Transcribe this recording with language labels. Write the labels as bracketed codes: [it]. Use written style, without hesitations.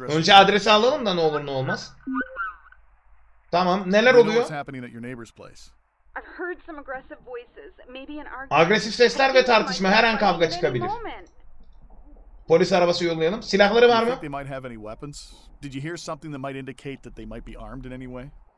[tr] Önce adresi alalım da ne olur ne olmaz. Tamam, neler oluyor? [en] What's happening at your neighbor's place? I've heard some aggressive voices. Maybe an argument. [tr] Agresif sesler ve tartışma, her an kavga çıkabilir. Polis arabası yollayalım. Silahları var mı? [en] They might have any weapons. Did you hear something that might indicate that they might be armed in any way?